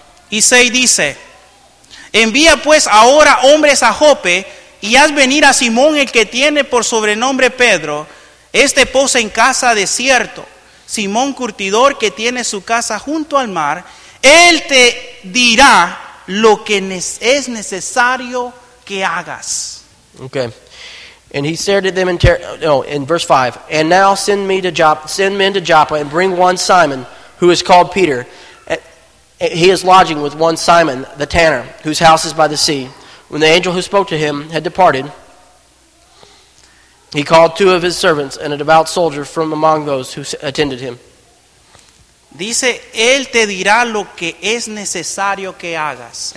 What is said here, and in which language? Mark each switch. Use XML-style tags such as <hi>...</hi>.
<es>Y 6 dice, envía pues ahora hombres a Jope y haz venir a Simón el que tiene por sobrenombre Pedro. Este posa en casa de cierto. Simón Curtidor, que tiene su casa junto al mar, él te dirá lo que es necesario que hagas.</es> <en>Okay. And he said to them in verse 5, and now send men to Joppa and bring one Simon, who is called Peter. He is lodging with one Simon, the tanner, whose house is by the sea. When the angel who spoke to him had departed, he called two of his servants and a devout soldier from among those who attended him.</en> <es>Dice, él te dirá lo que es necesario que hagas.</es>